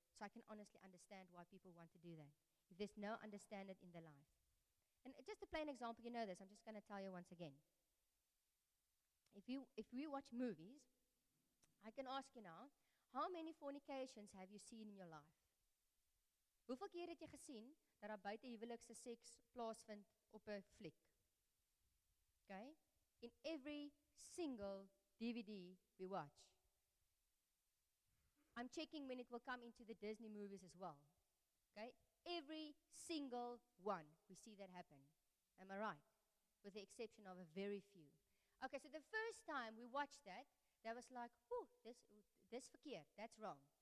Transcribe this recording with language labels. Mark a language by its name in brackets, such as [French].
[English] So I can honestly understand why people want to do that, if there's no understanding in their life. And just a plain example, you know this, I'm just going to tell you once again. If we watch movies, I can ask you now, how many fornications have you seen in your life? [Afrikaans] Hoeveel keer het jy gesien dat daar buite huwelikse seks plaasvind op 'n fliek? [English] Okay? In every single DVD we watch. I'm checking when it will come into the Disney movies as well. Okay? Every single one we see that happen. Am I right? With the exception of a very few. Okay, so the first time we watched that, that was like, whew, this verkeerd, that's wrong.